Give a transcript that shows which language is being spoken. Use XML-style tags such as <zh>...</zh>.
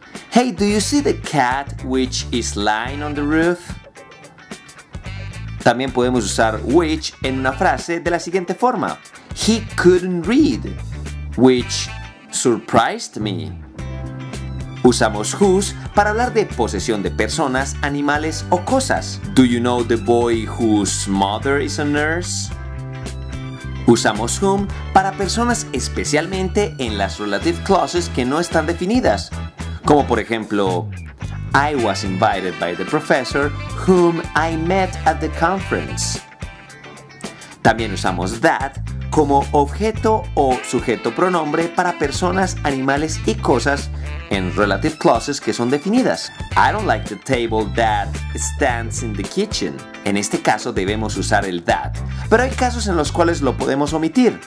<en>Hey, do you see the cat which is lying on the roof?</en> <es>También podemos usar which en una frase de la siguiente forma.</es> <en>He couldn't read, which surprised me.</en> <es>Usamos whose para hablar de posesión de personas, animales o cosas.</es> <en>Do you know the boy whose mother is a nurse?</en> <es>Usamos whom para personas especialmente en las relative clauses que no están definidas. Como por ejemplo,</es> <en>I was invited by the professor whom I met at the conference.</en> <es>También usamos that como objeto o sujeto pronombre para personas, animales y cosas en relative clauses que son definidas.</es> <en>I don't like the table that stands in the kitchen.</en> <es>En este caso debemos usar el that, pero hay casos en los cuales lo podemos omitir.</es>